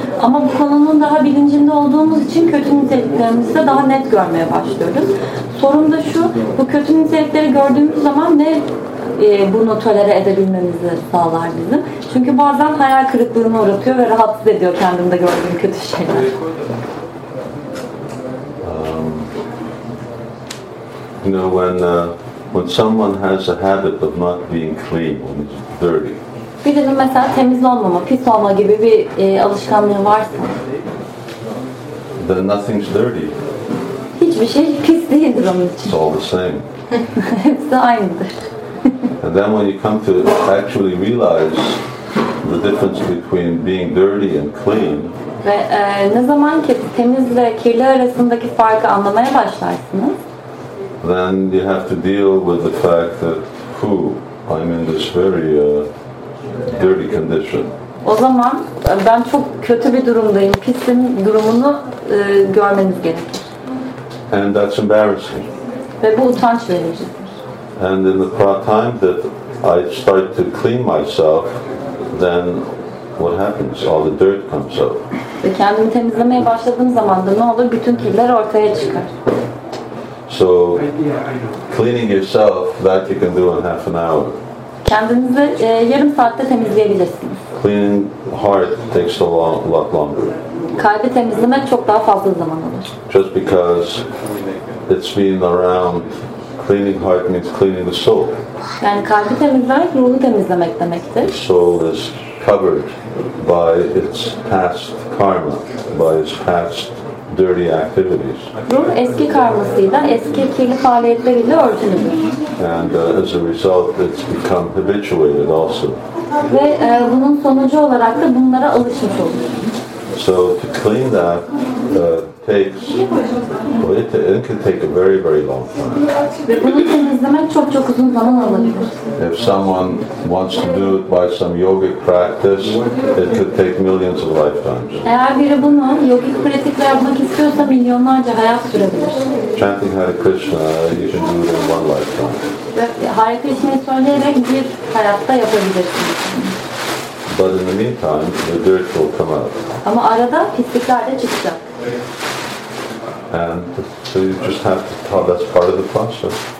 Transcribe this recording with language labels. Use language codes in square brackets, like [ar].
[tr] Ama bu konunun daha bilincinde olduğumuz için kötü niteliklerimizi de daha net görmeye başlıyoruz. Sorun da şu, bu kötü nitelikleri gördüğümüz zaman ne bunu tolere edebilmemizi sağlar bizim. Çünkü bazen hayal kırıklığına uğratıyor ve rahatsız ediyor kendimde gördüğüm kötü şeyler. [en] You know, when someone has a habit of not being clean, when it's dirty. [tr] Birinin mesela temiz olmama, pis olma gibi bir alışkanlığı varsa. [en] Then nothing's dirty. [tr] Hiçbir şey pis değildir onun için. [en] It's all the same. [tr] Hepsi aynıdır. [en] And then when you come to actually realize the difference between being dirty and clean. [tr] Ve ne zaman ki temizle kirli arasındaki farkı anlamaya başlarsınız. [en] Then you have to deal with the fact that, I'm in this very dirty condition. [tr] O zaman ben çok kötü bir durumdayım, pisim durumunu görmeniz gerekir. [en] And that's embarrassing. [tr] Ve bu utanç verici. [en] And in the time that I start to clean myself, then what happens? All the dirt comes out. [tr] Ve kendimi temizlemeye başladığım zaman da ne olur? Bütün kirler ortaya çıkar. [en] So, cleaning yourself, that you can do in half an hour. [tr] Kendinizi yarım saatte temizleyebilirsiniz. [en] Cleaning heart takes a lot longer. [tr] Kalbi temizlemek çok daha fazla zaman alır. [en] Just because it's been around, cleaning heart means cleaning the soul. [tr] Yani kalbi temizlemek, ruhu temizlemek demektir. [en] The soul is covered by its past karma, by its past dirty activities. [tr] Ruh eski karmasıyla, eski kirli faaliyetleriyle örtülüdür. [en] And as a result, it's become habituated also. [tr] Ve bunun sonucu olarak da bunlara alışmış olur. [en] So to clean that takes, well, it can take a very, very long time. [tr] Ve bunu temizlemek çok çok uzun zaman alabilir. [en] If someone wants to do it by some yogic practice, it could take millions of lifetimes. [tr] Eğer biri bunu yogic pratikle yapmak istiyorsa milyonlarca hayat sürebilir. [en] Chanting Hare Krishna, you can do it in one lifetime. [tr] Hare Krishna'yı söyleyerek bir hayatta yapabilirsiniz. [en] But in the meantime, the dirt will come out. [tr] Ama arada pislikler de çıkacak. [en] And so you just have to tell that's part of the process.